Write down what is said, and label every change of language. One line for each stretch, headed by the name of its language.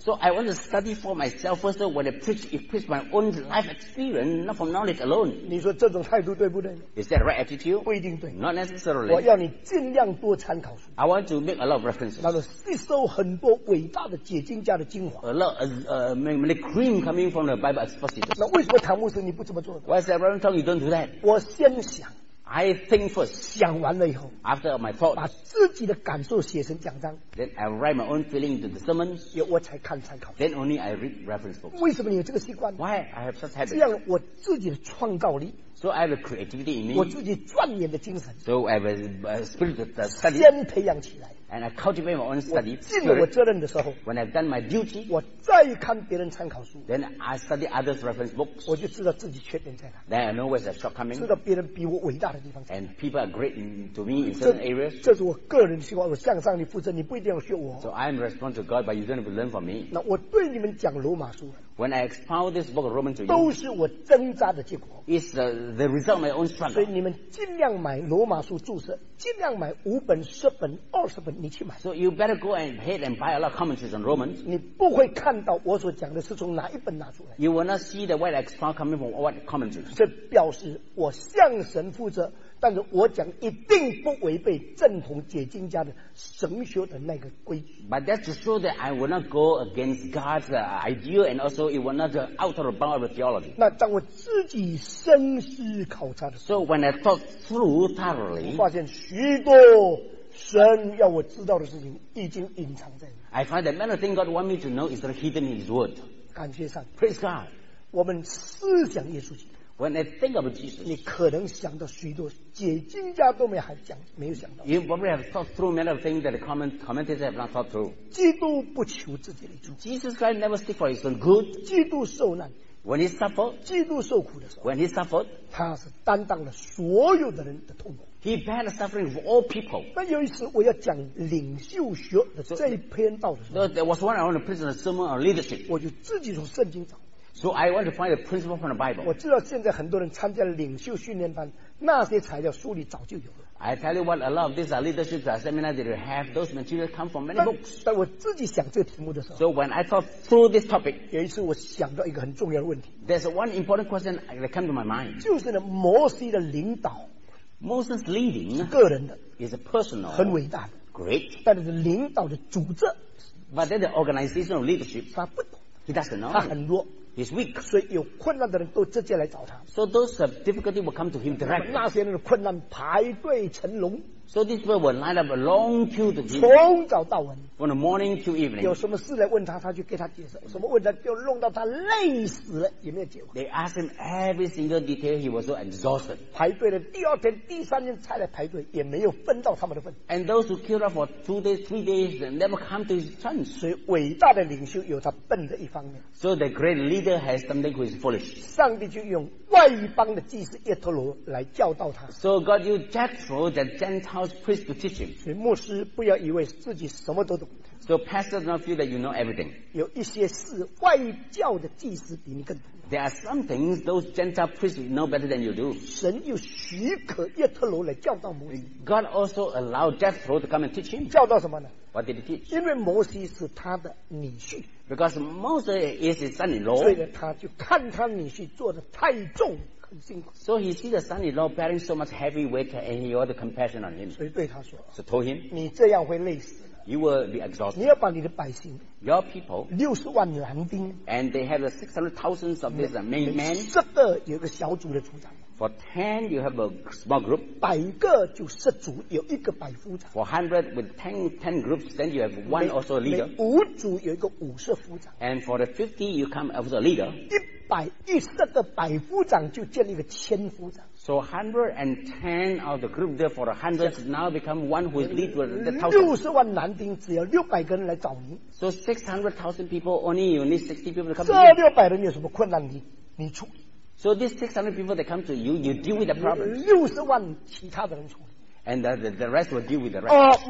English: So I want to study for myself first of all, when I preach if preach my own life experience not from knowledge alone
Chinese: 你说这种态度对不对
English: Is that right attitude?
Chinese: 不一定对
English: Not necessarily
Chinese: 我要你尽量多参考书
English: I want to make a lot of references
Chinese: 那就吸收很多伟大的解经家的精华
English: A lot of many cream coming from the Bible expositors
Chinese: 那为什么唐牧师你不这么做
English: Why is that Reverend Tong you don't do that?
Chinese: 我先想
English: I think first
Chinese: 想完了以后
English: After my thought
Chinese: 把自己的感受写成讲章
English: Then I write my own feeling into the sermons
Chinese: 我才看参考
English: Then only I read reference books
Chinese: 为什么你有这个习惯
English: Why I have such habit
Chinese: 这样我自己的创造力
English: So I have a creativity in me
Chinese: 我自己钻研的精神
English: So I have a spirit of study
Chinese: 先培养起来
English: And I cultivate my own study
Chinese: 我尽了我责任的时候
English: When I've done my duty
Chinese: 我再看别人参考书
English: Then I study others reference books
Chinese: 我就知道自己缺点在哪
English: Then I know where's the shortcoming
Chinese: 知道别人比我伟大的
English: And people are great to me in certain areas.
Chinese: 这是我个人的习惯，我向上帝负责，你不一定要学我。
English: So I'm respond to God, but you don't have to learn from me.
Chinese: 那我对你们讲罗马书。
English: When I expound this book of Romans to you,
Chinese: 都是我挣扎的结果。
English: It's the result of my own struggle.
Chinese: 所以你们尽量买罗马书注释，尽量买5本、10本、20本，你去买。
English: So you better go ahead and buy a lot of commentaries on Romans.
Chinese: 你不会看到我所讲的是从哪一本拿出来。
English: You will not see the word expound coming from what commentaries.
Chinese: 这表示我向神负责。但是我讲一定不违背正统解经家的神学的那个规矩。
English: But that's to show that I will not go against God's idea, and also it will not out of the bound of theology.
Chinese: 那当我自己深思考察的时候
English: ，So when I thought through thoroughly,
Chinese: 发现许多神要我知道的事情已经隐藏在那。
English: I find that many things God wants me to know is not hidden in His Word.
Chinese: 感谢上
English: Praise God.
Chinese: 我们思想耶稣基督。
English: When I think of Jesus,
Chinese: 你可能想到许多解经家都没还讲，没有想到。
English: You probably have thought through many of things that commentators have not thought through.
Chinese: 基督不求自己的益处。
English: Jesus Christ never seek for His own good.
Chinese: 基督受难。
English: When He suffered,
Chinese: 基督受苦的时候。
English: When He suffered,
Chinese: 他是担当了所有的人的痛苦。
English: He bore the suffering of all people.
Chinese: 那有一次我要讲领袖学的这一篇道的时候。
English: So, there was one I want to preach a sermon on leadership.
Chinese: 我就自己从圣经找。
English: So I want to find a principle from the Bible.
Chinese: 我知道现在很多人参加领袖训练班，那些材料书里早就有了。
English: I tell you what, a lot of these are leadership seminars that you have. Those materials come from many books.
Chinese: 但我自己想这个题目的时候
English: ，So when I thought through this topic,
Chinese: 有一次我想到一个很重要的问题。
English: There's one important question that came to my mind.
Chinese: 就是呢，摩西的领导
English: ，Moses leading,
Chinese: 个人的
English: ，is a personal,
Chinese: 很伟大的
English: ，great.
Chinese: 但是领导的组织
English: ，but then the organization of leadership,
Chinese: 他不懂
English: ，he doesn't know.
Chinese: 他很弱。
English: He's weak.
Chinese: 所以有困难的人都直接来找他。
English: So those have difficulty will come to him directly.
Chinese: 那些人的困难排队成龙。
English: So these people will line up a long queue to him.
Chinese: 从早到晚。
English: From the morning to evening.
Chinese: 有什么事来问他，他就给他解释。什么问题就弄到他累死了，也没有解决。
English: They ask him every single detail. He was so exhausted.
Chinese: 排队的第二天、第三天才来排队，也没有分到他们的份。
English: And those who queued up for two days, three days, never come to his turn.
Chinese: 所以伟大的领袖有他笨的一方面。
English: So the great leader. Leader has something who is foolish.
Chinese: 上帝就用外邦的祭司耶陀罗来教导他。
English: So God used Jethro, the Gentile priest, to teach him.
Chinese: 所以牧师不要以为自己什么都懂。
English: So pastors don't feel that you know everything.
Chinese: 有一些事外教的祭司比你更懂。
English: There are some things those Gentile priests know better than you do.
Chinese: 神又许可耶陀罗来教导摩西。
English: God also allowed Jethro to come and teach him.
Chinese: 教导什么呢？
English: What did he teach?
Chinese: 因为摩西是他的女婿。
English: Because Moses is his son-in-law.
Chinese: 所以呢，他就看他女婿做的太重，很辛苦。
English: So he sees the son-in-law bearing so much heavy weight, and he had compassion on him.
Chinese: 所以对他说。
English: So told him.
Chinese: 你这样会累死。
English: You will be exhausted.
Chinese: 你要把你的百姓。
English: Your people.
Chinese: 60万男丁。
English: And they have 600,000 of these main men.
Chinese: 十个有个小组的组长。
English: For 10, you have a small group.
Chinese: 百个就十组，有一个百夫长。
English: For 100, with 10 groups, then you have one also a leader.
Chinese: 五组有一个五十夫长。
English: And for the 50, you come as a leader.
Chinese: 110个百夫长就建立一个千夫长。
English: So 110 of the group there for 100 now become one who is lead with the 1,000.
Chinese: 60万男丁只要600个人来找你。
English: So 600,000 people only you need 60 people to come.
Chinese: 这600人有什么困难你处理。
English: So these 600 people that come to you, you deal with the problem.
Chinese: 60万其他的人处理。
English: And the rest will deal with the rest.